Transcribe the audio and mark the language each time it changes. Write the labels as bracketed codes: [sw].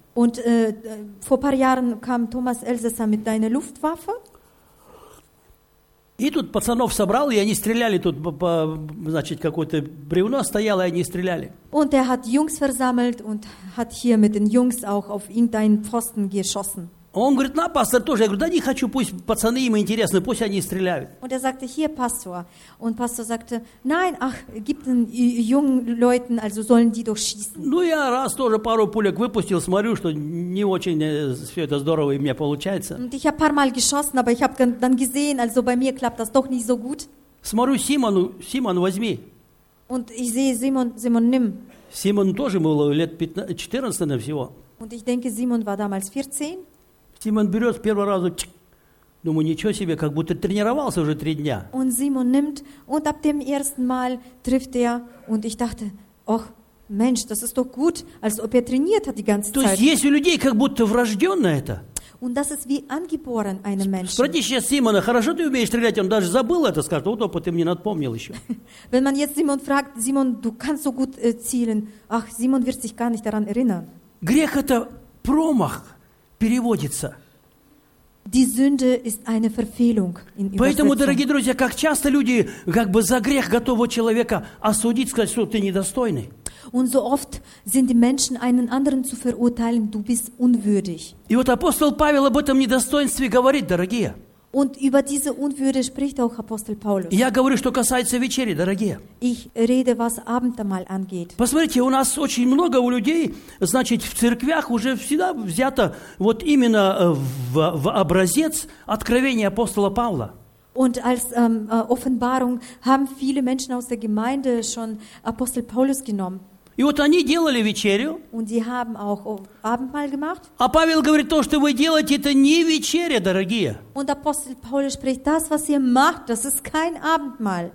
[de] Und vor paar Jahren kam Thomas Elsässer mit einer Luftwaffe. [ru] И тут пацанов собрал, и они стреляли тут, значит, какое-то бревно стояло, и они стреляли. [de] Und er hat Jungs versammelt und hat hier mit den Jungs auch auf irgendeinen Pfosten geschossen. [ru] Он говорит, на, пастор, тоже. Я говорю, да не хочу, пусть пацаны им интересны, пусть они стреляют. [de] Und er sagte, hier, Pastor. Und Pastor sagte, nein, ach, gib den jungen Leuten, also sollen die doch schießen. [ru] Ну, я раз тоже пару пулек выпустил, смотрю, что не очень все это здорово у меня получается. [de] Und ich habe paar Mal geschossen, aber ich habe dann gesehen, also bei mir klappt das doch nicht so gut. [ru] Смотрю Симону, Симон, возьми. [de] Und ich sehe Simon, Simon, nimm. [ru] Симон тоже было лет 15, 14 всего. [de] Und ich denke, Simon war damals 14. [ru] Симон берет с первого раза, чик, думаю, ничего себе, как будто тренировался уже три дня. [de] Und Simon nimmt und ab dem ersten Mal trifft er und ich dachte, ach, Mensch, das ist doch gut, als ob er trainiert hat die ganze Zeit. [ru] То есть есть у людей как будто врожденное это. [de] Und das ist wie angeboren einem Menschen. [ru] Смотрите сейчас Симона, хорошо ты умеешь стрелять, он даже забыл это, скажет, вот опыт, ты мне напомнил еще. [de] Wenn man jetzt Simon fragt, Simon, du kannst so gut zielen, ach, Simon wird sich gar nicht daran erinnern. [ru] Грех это промах. Переводится. [de] Die Sünde ist eine Verfehlung in [ru] Поэтому, дорогие друзья, как часто люди как бы за грех готового человека осудить, сказать, что ты недостойный. [de] Und so oft sind die Menschen einen anderen zu verurteilen, du bist unwürdig. [ru] И вот апостол Павел об этом недостоинстве говорит, дорогие. [de] Und über diese Unwürde spricht auch Apostel Paulus. [ru] Я говорю, что касается вечери, дорогие. [de] Ich rede, was Abendmahl angeht. [ru] Посмотрите, у нас очень много у людей, значит, в церквях уже всегда взято вот именно в образец откровения апостола Павла. [de] Und als Offenbarung haben viele Menschen aus der Gemeinde schon Apostel Paulus genommen. [ru] И вот они делали вечерю. [de] Und die haben auch Abendmahl gemacht. [ru] А Павел говорит, то, что вы делаете, это не вечеря, дорогие. [de] Und Apostel Paulus spricht, das, was ihr macht, das ist kein Abendmahl.